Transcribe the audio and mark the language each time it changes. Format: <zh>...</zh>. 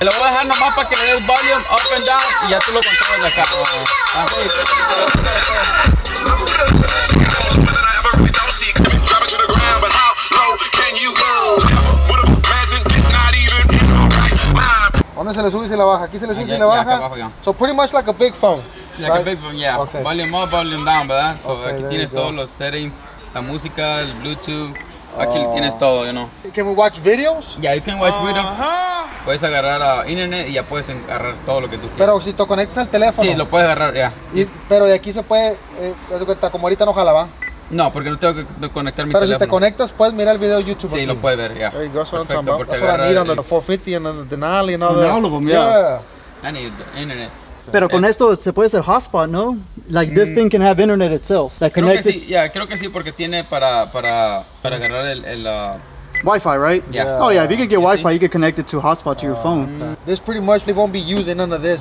<es>Lo voy a dejar nomás para que le des volume up and down y ya tú lo controlas acá.</es> <en>never been don't see coming. Drop it to the ground, but how low can you go? Never would have imagined, not even in my right mind.</en> <es>¿Dónde se le sube y se le baja? Aquí se le sube y se le baja.</es> <en>So pretty much like a big phone. Like right? A big phone, yeah. Okay. Volume up, volume down, ¿verdad?</en> <es>So okay, aquí tienes todos los settings, la música, el Bluetooth. Aquí tienes todo,</es> <en>you know. Can we watch videos? Yeah, you can watch videos.</en> <es>Puedes agarrar internet y ya puedes agarrar todo lo que tú quieras. Pero si te conectas al teléfono. Sí, lo puedes agarrar, ya. Yeah. Pero de aquí se puede, te das cuenta, como ahorita no jala, ¿va? No, porque no tengo que conectar mi pero teléfono. Pero si te conectas, puedes mirar el video de YouTube. Sí, aquí. Lo puedes ver, ya. Yeah.</es> <en>Hey, that's what I need on the 450 and the Denali and all that. All of them, yeah. I need the internet.</en> <es>Pero con esto se puede hacer hotspot, ¿no?</es> <en>Like this thing can have internet itself. That connects.</en> <es>Creo que sí, yeah, creo que sí, porque tiene para agarrar el</es> <en>Wi-Fi, right? Yeah. Oh yeah, if you can get Wi-Fi, you can connect it to hotspot to your phone. Okay. This pretty much, they won't be using none of this.</en>